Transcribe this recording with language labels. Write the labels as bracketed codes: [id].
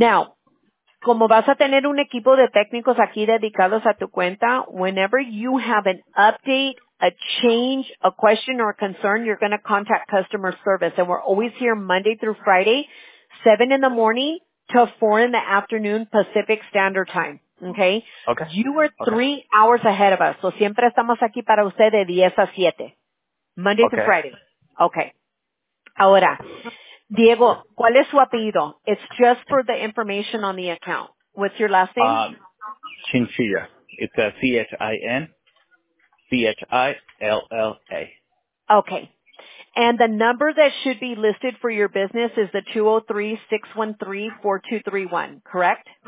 [en] Now, [es] como vas a tener un equipo de técnicos aquí dedicados a tu cuenta, [en] whenever you have an update, a change, a question, or a concern, you're going to contact customer service. And we're always here Monday through Friday, 7 in the morning to 4 in the afternoon Pacific Standard Time, okay? Okay. You are 3 okay. hours ahead of us. So [es] siempre estamos aquí para usted de 10 a 7, [en] Monday okay. to Friday. Okay. [es] Ahora, Diego, ¿cuál es su apellido? [en] It's just for the information on the account. What's your last name? Chinchilla. It's a C-H-I-N-C-H-I-L-L-A. Okay. And the number that should be listed for your business is the 203-613-4231, correct?